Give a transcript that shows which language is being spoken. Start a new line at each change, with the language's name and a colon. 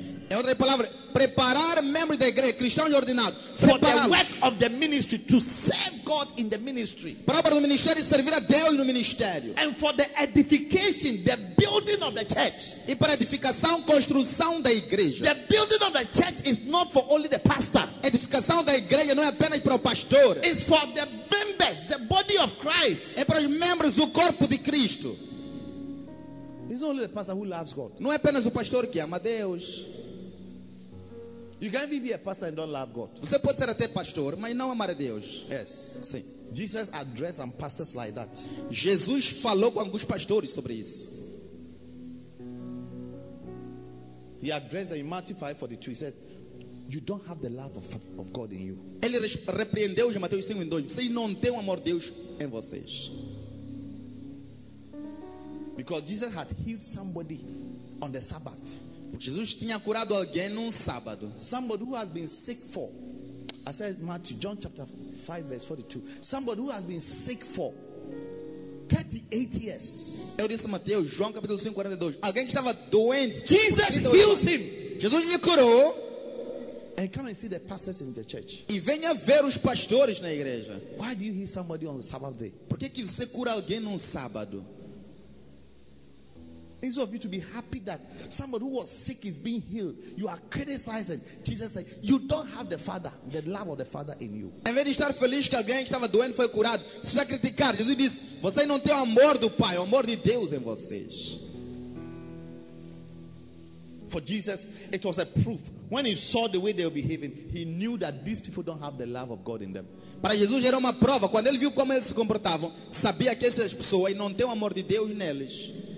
Portuguese: Em outra palavra, preparar membros da igreja, cristãos ordinários,
English: for the work of the ministry, to serve God in the ministry.
Portuguese: Para o ministério, servir a Deus no ministério.
English: And for the edification, the building of the church.
Portuguese: E para edificação, construção da igreja.
English: The building of the church is not for only the pastor.
Portuguese: Edificação da igreja não é apenas para o pastor.
English: It's for the members, the body of Christ.
Portuguese: É para os membros do corpo de Cristo.
English: It's not only the pastor who loves God.
Portuguese: Não é apenas o pastor que ama Deus.
English: You can even be a pastor and don't love God.
Portuguese: Você pode ser até pastor, mas não amar a Deus.
English: Yes.
Portuguese: Sim.
English: Jesus addressed some pastors like that.
Portuguese: Jesus falou com alguns pastores sobre isso.
English: He addressed them in Matthew 5:42. He said, "You don't have the love of God in you."
Portuguese: Ele repreendeu em Mateus 5:2. Você não tem o amor de Deus em vocês.
English: Because Jesus had healed somebody on the Sabbath.
Portuguese: Jesus tinha curado alguém num sábado.
English: Somebody who has been sick for, I said Matthew, John chapter 5 verse 42. Somebody who has been sick for 38 years.
Portuguese: Eu disse a Mateus, João capítulo 5, 42. Alguém que estava doente.
English: Jesus heals him.
Portuguese: Jesus lhe curou.
English: And come and see the pastors in the church.
Portuguese: E venha ver os pastores na igreja.
English: Why do you heal somebody on the Sabbath day?
Portuguese: Por que você cura alguém num sábado?
English: Instead of you to be happy that somebody who was sick is being healed, you are criticizing. Jesus said, "You don't have the Father, the love of the Father in you."
Portuguese: Em vez de estar feliz que alguém estava doente foi curado, você está criticando. Jesus diz, "Você não tem o amor do Pai, o amor de Deus em vocês."
English: For Jesus, it was a proof. When he saw the way they were behaving, he knew that these people don't have the love of God in them.
Portuguese: Para Jesus era uma prova. Quando ele viu como eles se comportavam, sabia que essas pessoas não têm o amor de Deus neles.